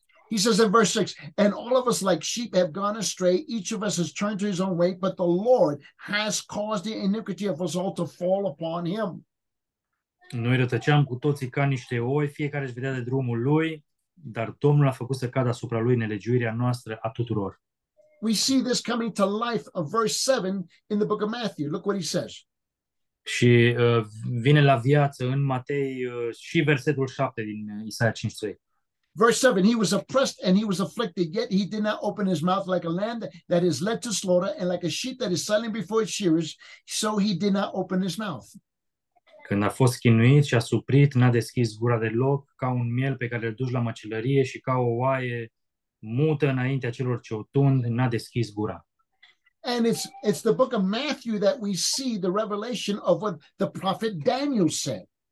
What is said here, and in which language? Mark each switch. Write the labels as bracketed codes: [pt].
[en] He says in verse 6, and all of us like sheep have gone astray, each of us has turned to his own way, but the Lord has caused the iniquity of us all to fall upon him. [ro] Noi rătăceam cu toții ca niște oi, fiecare își vedea de drumul lui, dar Domnul a făcut să cadă asupra lui nelegiuirea noastră a tuturor. [en] We see this coming to life of verse 7 in the book of Matthew. Look what he says. [ro] Și vine la viață în Matei și versetul 7 din Isaia 53. [en] Verse 7, he was oppressed and he was afflicted, yet he did not open his mouth like a lamb that is led to slaughter and like a sheep that is silent before its shearers, so he did not open his mouth. [ro] când a fost chinuit și a suprit, n-a deschis gura deloc, ca un miel pe care îl duci la măcelărie și ca o oaie mută înaintea celor ce o tund, n-a deschis gura. [en] And it's the book of Matthew that we see the revelation of what the prophet Daniel said.